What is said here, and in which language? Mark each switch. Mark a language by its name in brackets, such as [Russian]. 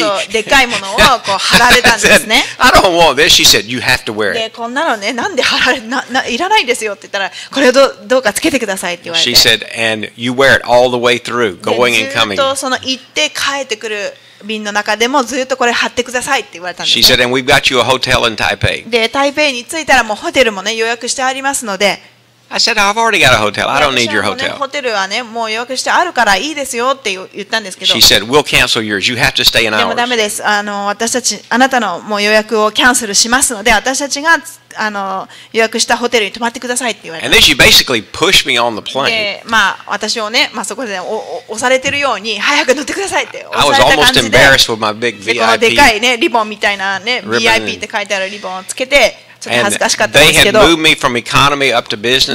[Japanese] そう、でっかいものをこう貼られたんですね。 [English] I don't want this. She said, you have to wear it. [Japanese] で、こんなのね、なんで貼られ、いらないですよって言ったら、これをどうかつけてくださいって言われて。 [English] She said, and you wear it all the way through, going and coming. [Japanese] ずっとその行って帰ってくる便の中でもずっとこれ貼ってくださいって言われたんですね。 [English] She said, and we've got you a hotel in Taipei. [Japanese] で、台北に着いたらもうホテルもね、予約してありますので、 [English] I said, I've already got a hotel. I don't need your hotel. [Japanese] ホテルはね、もう予約してあるからいいですよって言ったんですけど。 [English] She said, we'll cancel yours. You have to stay in ours. [Japanese] でもダメです。私たち、あなたのもう予約をキャンセルしますので、私たちが予約したホテルに泊まってくださいって言われた。 [English] And then she basically pushed me on the plane. [Japanese] で、まあ私をね、まあそこで押されてるように早く乗ってくださいって押された感じで。 [English] I was almost embarrassed with my big VIP. [Japanese] このでかいね、リボンみたいなね、VIP って書いてあるリボンをつけて。 [English] And they had moved me from economy up to business class.